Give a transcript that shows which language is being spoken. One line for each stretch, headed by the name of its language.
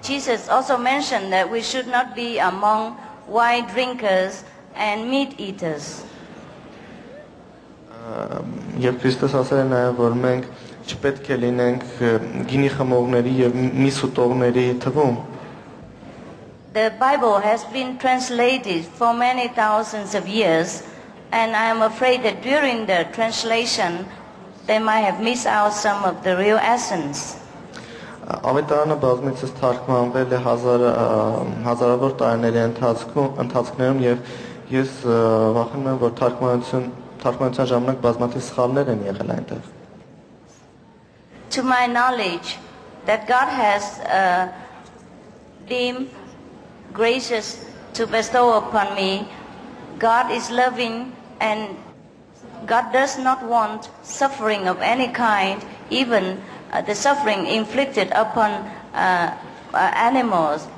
English: Jesus also mentioned that we should not be among wine drinkers and meat eaters.
Armenian: Եվ Քրիստոս ասել է նաեւ, որ մենք չպետք է լինենք գինի խմողների եւ միս ուտողների թվում։
English: The Bible has been translated for many thousands of years, and I am afraid that during the translation they might have missed out some of the real essence.
Armenian: Ավետարանը բազմիցս թարգմանվել է հազարավոր տարիների ընթացքում եւ ես վախենում եմ, որ թարգմանության ժամանակ բազմաթիվ սխալներ են եղել այնտեղ։
English: To my knowledge that God has deemed gracious to bestow upon me, God is loving and God does not want suffering of any kind, even the suffering inflicted upon animals.